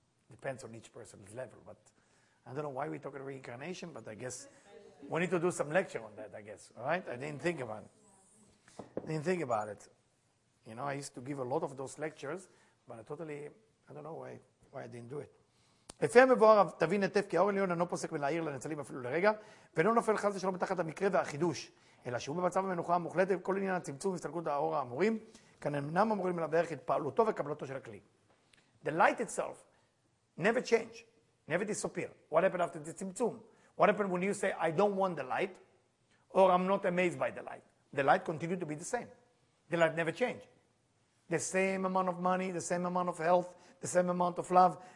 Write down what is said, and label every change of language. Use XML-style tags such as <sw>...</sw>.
<en>Depends on each person's level, but I don't know why we talk about reincarnation, but I guess we need to do some lecture on that, I guess, all right? I didn't think about it. You know, I used to give a lot of those lectures, but I don't know why I didn't do it.</en> <he>לפעמים מבואר תבין נטף כי האור עליון אינו פוסק מלהעיר לנצלים אפילו לרגע, ואינו נופל חס ושלום תחת המקרה והחידוש, אלא שהוא במצב המנוחה המוחלט וכל עניין הצמצום והסתלקות האור האמורים, כאן אינם אמורים לברך את פעלותו וקבלותו של הכלי.</he> <en>The light itself never change, never disappear. What happened after the tzimtzum? What happened when you say, I don't want the light, or I'm not amazed by the light? The light continued to be the same. The light never changed. The same amount of money, the same amount of health, the same amount of love.</en>